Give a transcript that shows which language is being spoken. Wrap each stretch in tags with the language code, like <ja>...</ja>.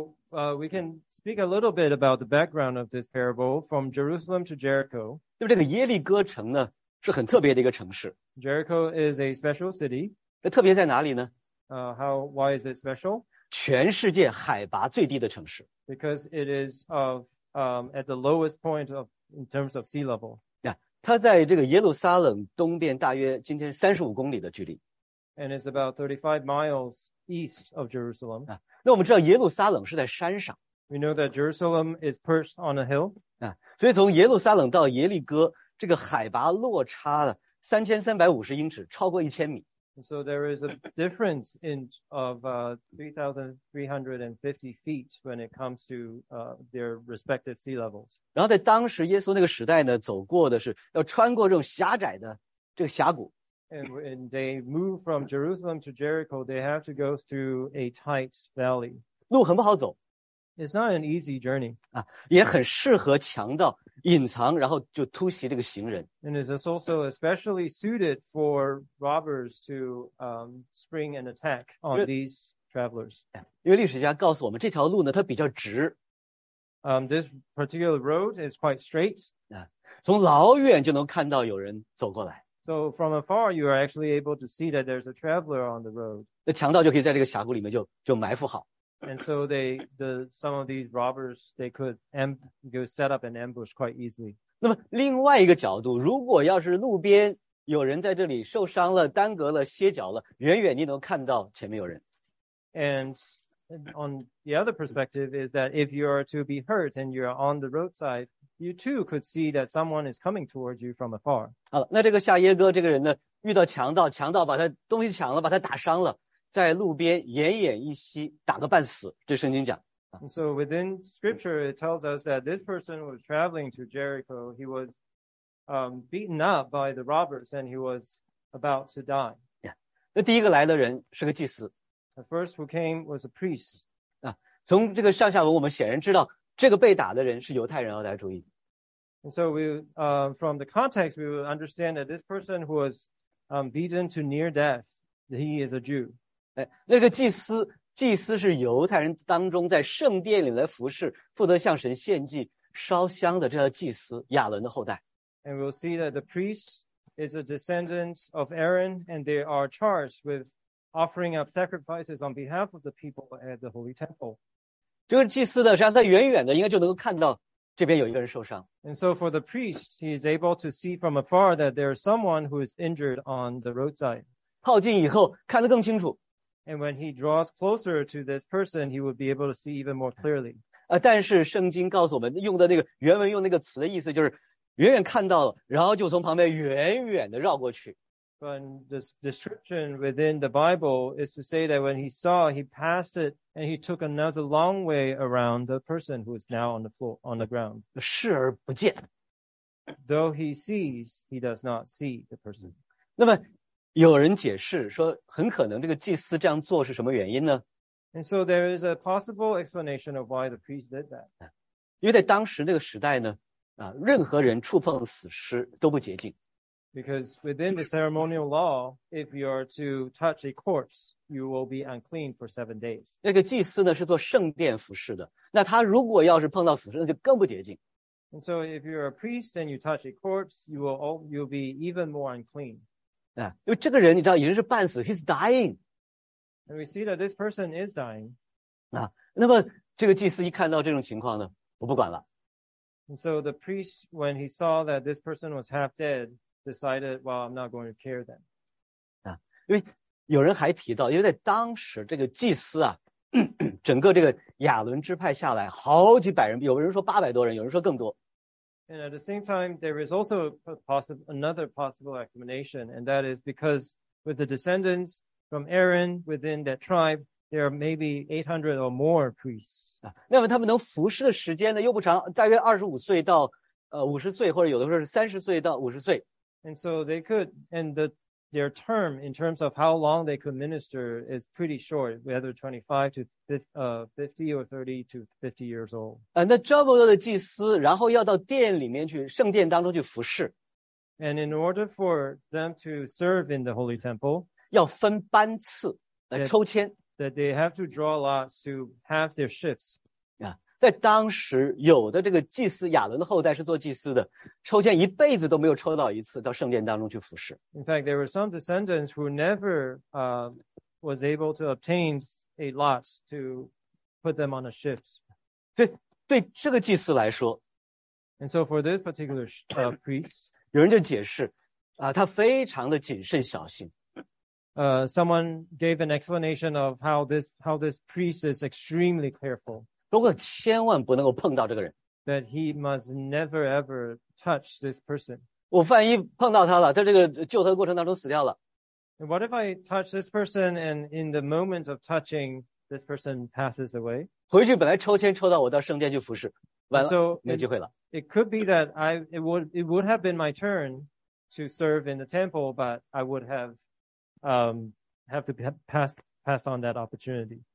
<en>We can speak a little bit about the background of this parable from Jerusalem to Jericho.</en> <zh>那么这个耶利哥城呢是很特别的一个城市。</zh> <en>Jericho is a special city.</en> <zh>那特别在哪里呢？</zh> <en>Why is it special?</en> <zh>全世界海拔最低的城市。</zh> <en>Because it is of, at the lowest point of, in terms of sea level.</en> <zh>它在这个耶路撒冷东边大约今天35公里的距离。</zh> <en>And it's about 35 miles east of Jerusalem.</en> <zh>那我们知道耶路撒冷是在山上。</zh> <en>We know that Jerusalem is perched on a hill.</en> <zh>所以从耶路撒冷到耶利哥这个海拔落差了3350英尺，超过1000米。</zh> <en>So there is a difference in of 3,350 feet when it comes to their respective sea levels.</en> <zh>然后在当时耶稣那个时代呢，走过的是要穿过这种狭窄的这个峡谷。</zh> <en>And when they move from Jerusalem to Jericho, they have to go through a tight valley.</en> <zh>路很不好走。</zh> <en>It's not an easy journey.</en> <zh>也很适合强盗隐藏然后就突袭这个行人。</zh> <en>And it's also especially suited for robbers to spring an attack on these travelers.</en> <zh>因为历史家告诉我们这条路呢它比较直。</zh> <en>This particular road is quite straight.</en> <zh>从老远就能看到有人走过来。</zh> <en>So from afar, you are actually able to see that there's a traveler on the road.</en> <zh>那强盗就可以在这个峡谷里面就埋伏好。</zh> <en>And so some of these robbers, they could set up an ambush quite easily.</en> <zh>那么另外一个角度，如果要是路边有人在这里受伤了、耽搁了、歇脚了，远远你能看到前面有人。</zh> <en>And on the other perspective is that if you are to be hurt and you are on the roadside, you too could see that someone is coming towards you from afar.</en> <zh>好了，那这个下耶哥这个人呢，遇到强盗，强盗把他东西抢了，把他打伤了。在路边奄奄一息打个半死这圣经讲。</zh> <en>So within scripture it tells us that this person was traveling to Jericho, he was beaten up by the robbers and he was about to die.</en> <zh>那第一个来的人是个祭司。</zh> <en>The first who came was a priest.</en> <zh>从这个上下文我们显然知道这个被打的人是犹太人，要大家注意。</zh> <en>And so from the context we will understand that this person who was beaten to near death, he is a Jew.</en> <zh>那个祭司是犹太人当中在圣殿里来服侍，负责向神献祭烧香的，这叫祭司，亚伦的后代。</zh> <en>And we'll see that the priest is a descendant of Aaron, and they are charged with offering up sacrifices on behalf of the people at the holy temple.</en> <zh>这个祭司呢，实际上他远远的应该就能够看到这边有一个人受伤。</zh> <en>And so for the priest, he is able to see from afar that there is someone who is injured on the roadside.</en> <zh>靠近以后看得更清楚。</zh> <en>And when he draws closer to this person, he would be able to see even more clearly.</en> <zh>但是圣经告诉我们用的那个原文用那个词的意思就是远远看到了然后就从旁边远远的绕过去。</zh> <en>But the description within the Bible is to say that when he saw, he passed it and he took another long way around the person who is now on the floor, on the ground.</en> <zh>视而不见。</zh> <en>Though he sees, he does not see the person.</en> <zh>那么有人解释说很可能这个祭司这样做是什么原因呢</zh> <en>?And so there is a possible explanation of why the priest did that.</en> <zh>因为在当时那个时代呢任何人触碰死尸都不洁净。</zh> <en>Because within the ceremonial law, if you are to touch a corpse, you will be unclean for 7 days.</en> <zh>那个祭司呢是做圣殿服侍的那他如果要是碰到死尸那就更不洁净。</zh> <en>And so if you're a priest and you touch a corpse, you'll be even more unclean.</en> <zh>因为这个人你知道已经是半死</zh> <en>he's dying. And we see that this person is dying.</en> <zh>那么这个祭司一看到这种情况呢我不管了。</zh> <en>And so the priest, when he saw that this person was half dead, decided, well, I'm not going to care then.</en> <zh>因为有人还提到因为在当时这个祭司啊整个这个亚伦支派下来好几百人有人说800多人有人说更多。</zh> <en>And at the same time, there is also another possible explanation, and that is because with the descendants from Aaron within that tribe, there are maybe 800 or more priests.</en> <zh>那么他们能服侍的时间呢又不长，大约25岁到50岁，或者有的时候是30岁到50岁。</zh> <en>And so they could, and the their term in terms of how long they could minister is pretty short, whether 25 to 50 or 30 to 50 years old.</en> <zh>那照顾到的祭司, 然后要到殿里面去, 圣殿当中去服侍,</zh> <en>and in order for them to serve in the Holy Temple,</en> <zh>要分班次, 来抽签,</zh> <en>that they have to draw lots to have their shifts.</en> <zh>在当时有的这个祭司亚伦的后代是做祭司的, 抽签一辈子都没有抽到一次, 到圣殿当中去服侍。</zh> <en>In fact, there were some descendants who never was able to obtain a lot to put them on a shift.</en> <zh>对这个祭司来说,</zh> <en>and so for this particular priest,</en> <zh>有人就解释, 他非常的谨慎小心。</zh> <en>Someone gave an explanation of how this priest is extremely careful.</en> <zh>如果千万不能够碰到这个人,</zh> <en>that he must never ever touch this person.</en> <zh>我万一碰到他了, 在这个救他的过程当中死掉了,</zh> <en>and what if I touch this person and in the moment of touching, this person passes away?</en> <zh>回去本来抽签抽到我到圣殿去服侍, 完了,</zh> <en>so</en> <zh>没机会了。</zh> <en>It could be that it would have been my turn to serve in the temple, but I would have to pass on that opportunity.</en>